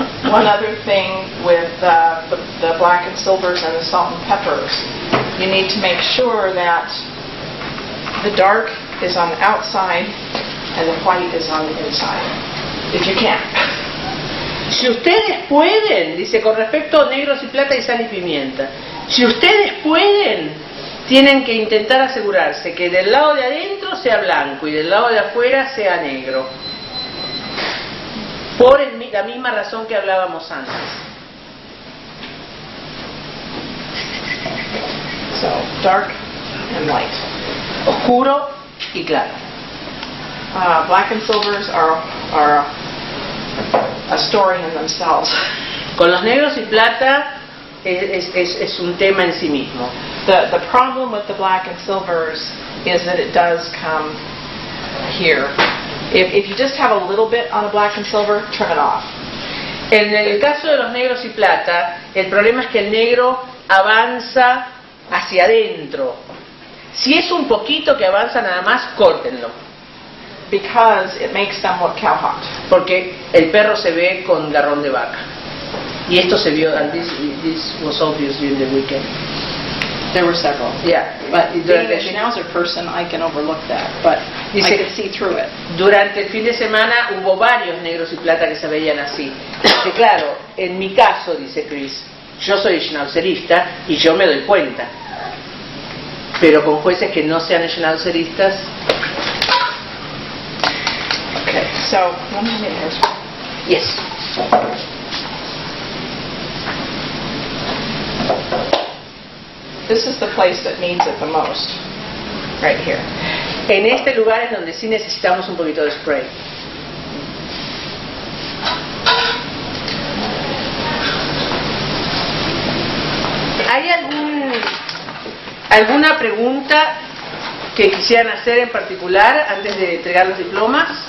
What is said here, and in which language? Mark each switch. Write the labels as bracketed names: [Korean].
[English] One other thing with the black and silvers and the salt and peppers, you need to make sure that the dark is on the outside and the white is on the inside. If you can't. [Spanish] Si ustedes pueden, dice, con respecto a negros y plata y sal y pimienta, si ustedes pueden, tienen que intentar asegurarse que del lado de adentro sea blanco y del lado de afuera sea negro. Por la misma razón que hablábamos antes. [English] So, dark and light. [Spanish] Oscuro y claro. [English] Black and silvers are a story in themselves. [Spanish] Con los negros y plata es un tema en sí mismo. [English] The problem with the black and silvers is that it does come here. If you just have a little bit on a black and silver, turn it off. [Spanish] En el caso de los negros y plata, el problema es que el negro avanza hacia adentro. Si es un poquito que avanza nada más, córtenlo. [English] Because it makes them look cow hot. [Spanish] Porque el perro se ve con garrón de vaca. Y esto se vio, [English] and this was obvious during the weekend. There were several. Yeah. But being a schnauzer person, I can overlook that. But dice, I could see through it. [Spanish] Durante el fin de semana hubo varios negros y plata que se veían así. Y claro, en mi caso, dice Chris, yo soy schnauzerista y yo me doy cuenta. Pero con jueces que no sean schnauzeristas. [English] Okay, so, one minute here. Yes. This is the place that needs it the most, right here. [Spanish] En este lugar es donde sí necesitamos un poquito de spray. ¿Hay alguna pregunta que quisieran hacer en particular antes de entregar los diplomas?